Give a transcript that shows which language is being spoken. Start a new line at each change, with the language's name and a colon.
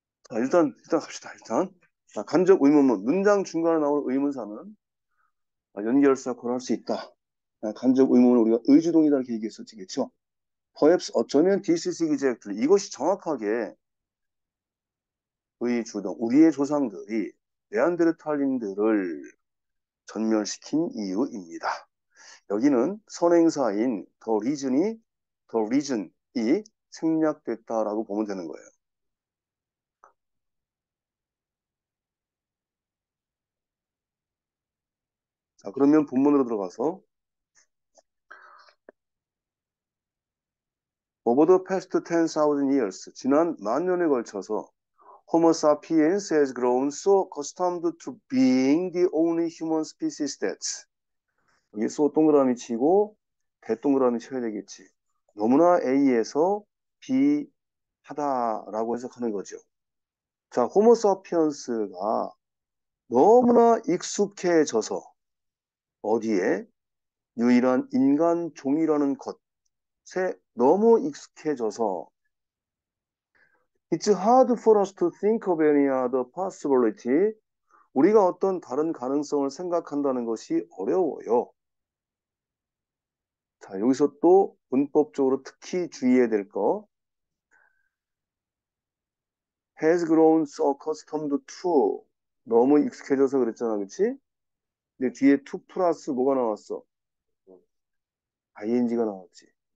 Korean: 자, 일단 갑시다, 일단. 자, 간접 의문문. 문장 중간에 나올 의문사는 연결사 권할 수 있다. 간접 의문을 우리가 의주동의다 이렇게 얘기했었지, 그렇죠?
English: Perhaps,
Korean: 어쩌면,
English: this is exactly.
Korean: 이것이 정확하게 의주동, 우리의 조상들이 네안데르탈인들을 전멸시킨 이유입니다. 여기는 선행사인 the reason이 생략됐다라고 보면 되는 거예요.
English: 자, 그러면 본문으로 들어가서 Over the past 10,000 years,
Korean: 지난 만 년에 걸쳐서
English: Homo sapiens has grown so accustomed to being the only human species that
Korean: 여기 so 동그라미 치고 대 동그라미 쳐야 되겠지. 너무나 A에서 B 하다라고 해석하는 거죠. 자, Homo sapiens가 너무나 익숙해져서 어디에 유일한 인간 종이라는 것에 너무 익숙해져서
English: It's hard for us to think of any other possibility.
Korean: 우리가 어떤 다른 가능성을 생각한다는 것이 어려워요. 자, 여기서 또 문법적으로 특히 주의해야 될 거.
English: Has grown so accustomed to.
Korean: 너무 익숙해져서 그랬잖아, 그렇지? 근데 뒤에 to 플러스 뭐가 나왔어? ing가 나왔지.